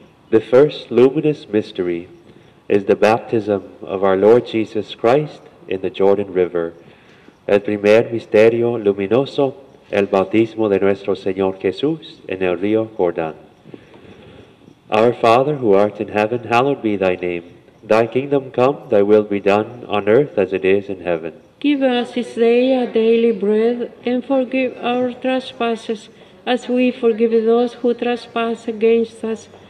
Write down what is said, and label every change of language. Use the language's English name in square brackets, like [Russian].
[English] The first luminous mystery is the baptism of our Lord Jesus Christ in the Jordan River. [Spanish] El primer misterio luminoso, el bautismo de nuestro Señor Jesús en el río Jordán. [English] Our Father, who art in heaven, hallowed be thy name. Thy kingdom come, thy will be done, on earth as it is in heaven. Give us this day our daily bread, and forgive our trespasses, as we forgive those who trespass against us.